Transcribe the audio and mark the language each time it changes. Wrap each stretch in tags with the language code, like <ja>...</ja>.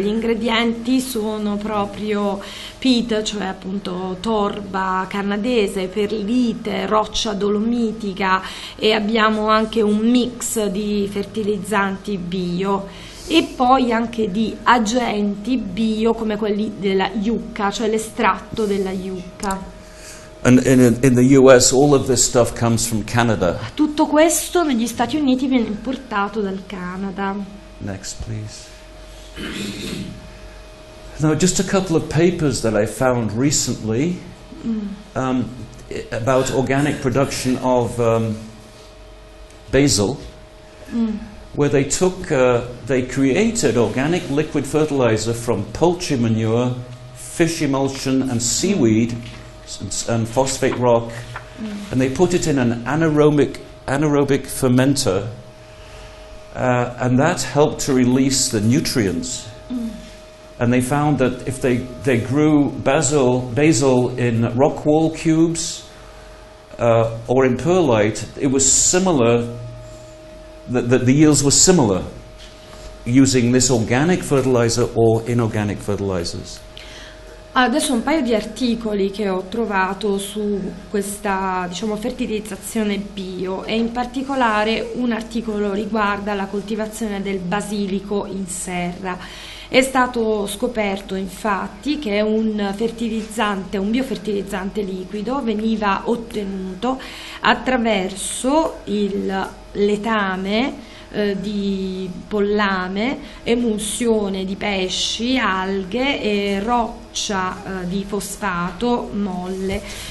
<it>Gli ingredienti sono proprio peat, cioè appunto torba canadese, perlite, roccia dolomitica e abbiamo anche un mix di fertilizzanti bio. E poi anche di agenti bio come quelli della yucca, cioè l'estratto della yucca.</it> <en>And in the US all of this stuff comes from Canada.</en> <it>Tutto questo negli Stati Uniti viene importato dal Canada.</it> <en>Next, please. Now, just a couple of papers that I found recently about organic production of basil. Where they took, they created organic liquid fertilizer from poultry manure, fish emulsion and seaweed and phosphate rock, and they put it in an anaerobic fermenter, And that helped to release the nutrients. And they found that if they grew basil in rock wall cubes or in perlite, it was similar, the yields were similar using this organic fertilizer or inorganic fertilizers.</en> <it>Adesso un paio di articoli che ho trovato su questa, diciamo, fertilizzazione bio, e in particolare un articolo riguarda la coltivazione del basilico in serra. È stato scoperto infatti che un biofertilizzante liquido veniva ottenuto attraverso il letame di pollame, emulsione di pesci, alghe e roccia di fosfato molle.</it>